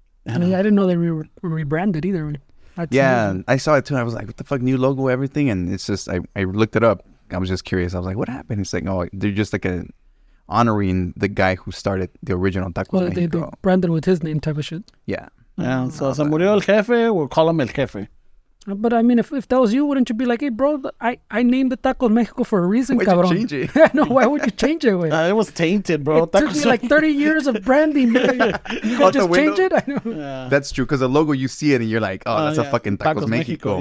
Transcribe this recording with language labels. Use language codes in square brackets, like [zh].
[en] I mean, I didn't know they were rebranded either. I saw it too. I was like, what the fuck? New logo, everything. And it's just, I looked it up. I was just curious. I was like, what happened? It's like, oh, they're just like honoring the guy who started the original Tacos Mexico. Well, they branded with his name type of shit. Yeah. Yeah. So, [es] se murió el jefe, [en] we'll call him [es] el jefe. [en] But I mean, if that was you, wouldn't you be like, hey, bro, I named the Tacos Mexico for a reason, why'd [es] cabrón. [en] Why'd you change it? No, why would you change it? It was tainted, bro. It took me like 30 years of branding. You could just change it? I know. Yeah. That's true, because the logo, you see it, and you're like, oh, that's a fucking Tacos Mexico, Mexico.